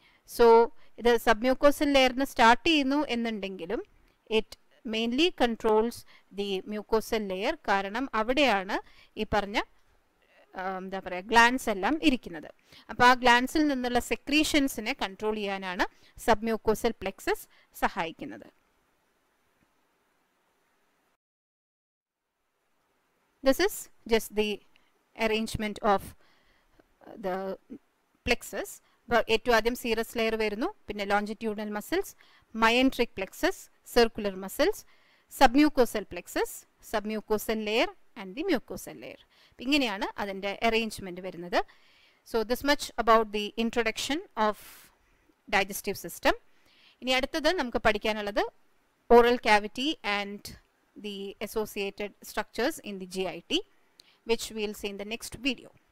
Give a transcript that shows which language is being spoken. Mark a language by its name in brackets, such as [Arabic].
[Malayalam] So ഇത് submucosal ലെയറിൽ നിന്ന് സ്റ്റാർട്ട് ചെയ്യുന്നു എന്നുണ്ടെങ്കിലും [English] it mainly controls the mucosal layer, [Malayalam] കാരണം അവിടെയാണ് ഈ പറഞ്ഞ എന്താ പറയുക ഗ്ലാൻസ് എല്ലാം ഇരിക്കുന്നത്. അപ്പോൾ ആ ഗ്ലാൻസിൽ നിന്നുള്ള സെക്രീഷൻസിനെ കൺട്രോൾ ചെയ്യാനാണ് സബ്മ്യൂക്കോസൽ പ്ലെക്സസ് സഹായിക്കുന്നത്. [English] This is just the arrangement of the plexus. [Malayalam] ഏറ്റവും ആദ്യം സീറസ് ലെയർ വരുന്നു, പിന്നെ longitudinal muscles, മയൻട്രിക് plexus, circular muscles, submucosal plexus, submucosal layer and the mucosal layer. ഇങ്ങനെയാണ് അതിൻ്റെ അറേഞ്ച്മെൻറ്റ് വരുന്നത്. [English] So this much about the introduction of digestive system. [Malayalam] ഇനി അടുത്തത് നമുക്ക് പഠിക്കാനുള്ളത് [English] Oral cavity and the associated structures in the GIT, which we will see in the next video.